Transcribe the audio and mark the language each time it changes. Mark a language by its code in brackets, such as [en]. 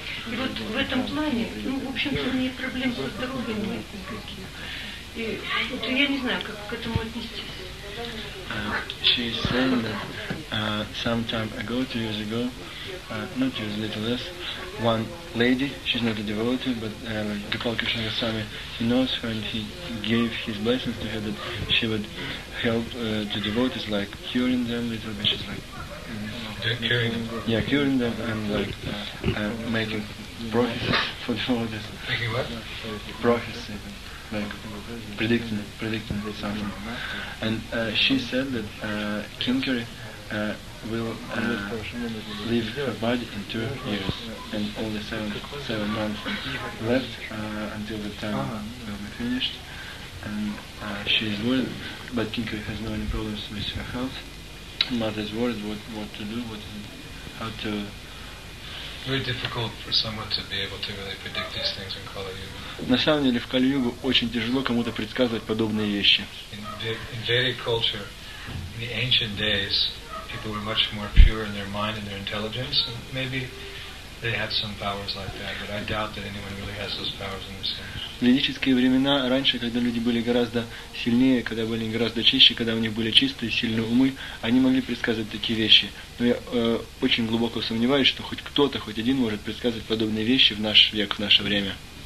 [ru] И вот в этом плане, ну, в общем-то, у нее проблем со здоровьем нет никаких. И вот я не знаю, как к этому отнестись. [en] She is saying that some time ago, 2 years ago, not years, a little less, one lady, she's not a devotee, but Gopal Krishna Goswami, he knows her and he gave his blessings to her that she would help the devotees, like curing them a little bit, she's like... Curing them? Yeah, curing them and like making prophecies for the orders. Thinking what? Prophecy, like predicting something. And she said that Kinkari will leave her body in 2 years, and only seven months left until the time will be finished. And she is worried, but Kinkari has no any problems with her health. Mother is worried what to do, how to. Very difficult for someone to be able to really predict these things in Kali Yuga. [ru] На самом деле в Кали Югу очень тяжело кому-то предсказывать подобные вещи. [en] In Vedic culture, in the ancient days, people were much more pure in their mind and their intelligence, and maybe they had some powers like that, but I doubt that anyone really has those powers in this sense. [ru] В ведические времена, раньше, когда люди были гораздо сильнее, когда были гораздо чище, когда у них были чистые, сильные умы, они могли предсказывать такие вещи. Но я очень глубоко сомневаюсь, что хоть кто-то, хоть один может предсказывать подобные вещи в наш век, в наше время.